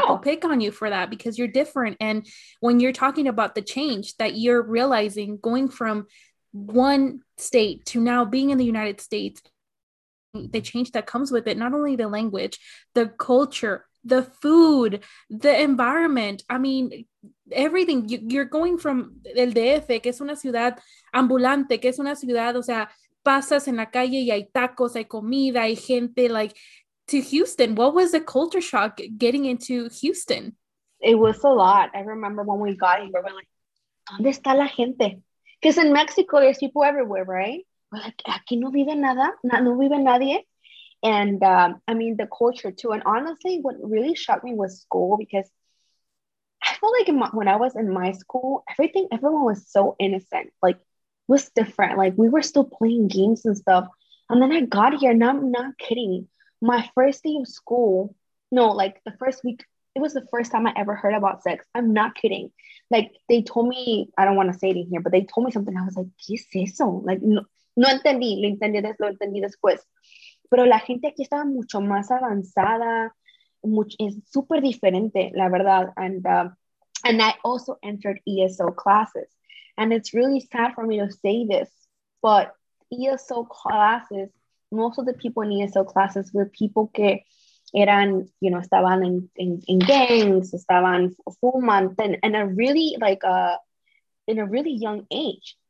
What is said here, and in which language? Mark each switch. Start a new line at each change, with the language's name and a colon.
English: People pick on you for that because you're different. And when you're talking about the change that you're realizing going from one state to now being in the United States, the change that comes with it, not only the language, the culture, the food, the environment. I mean, everything. You're going from
Spanish: el DF, que es una ciudad ambulante, que es una ciudad, o sea, pasas en la calle y hay tacos, hay comida, hay gente,
English: like, to Houston. What was the culture shock getting into Houston? It was a lot. I remember when we got here, we were like,
Spanish: ¿dónde está la gente?
English: Because in Mexico, there's people everywhere, right? We're like,
Spanish: aquí no vive nada, no vive nadie.
English: And I mean, the culture too. And honestly, what really shocked me was school, because I felt like when I was in my school, everyone was so innocent. Like, it was different. Like, we were still playing games and stuff. And then I got here, and I'm not kidding. My first day of school, no, like the first week, it was the first time I ever heard about sex. I'm not kidding. Like, they told me, I don't want to say it in here, but they told me something. I was like,
Spanish: ¿qué es eso? Like, no, no entendí, lo entendí después. Pero la gente aquí estaba mucho más avanzada, es súper diferente, la verdad.
English: And I also entered ESL classes. And it's really sad for me to say this, but ESL classes, most of the people in ESL classes were people
Spanish: que eran,
English: you know, estaban in gangs, estaban full month, and in a really young age.